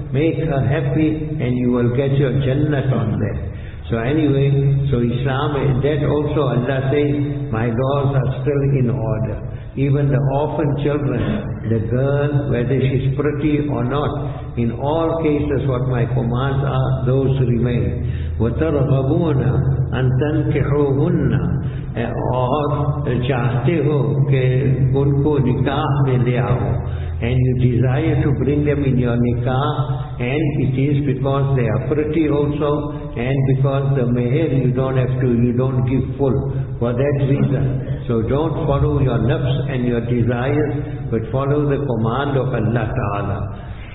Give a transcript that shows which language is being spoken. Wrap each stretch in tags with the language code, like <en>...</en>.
<en>Make her happy and you will get your Jannat on that. So anyway, so Islam, that also Allah says, my laws are still in order. Even the orphan children, the girl, whether she's pretty or not, in all cases what my commands are, those remain.</en> <ar>وَتَرْغَبُونَ أَن تَنْكِحُوهُنَّ,</ar> <ur>اور چاہتے ہو کہ ان کو نکاح میں لے آؤ.</ur> <en>and you desire to bring them in your nikah, and it is because they are pretty also, and because the mehr you don't have to, you don't give full for that reason. So don't follow your nafs and your desires, but follow the command of Allah Ta'ala.</en>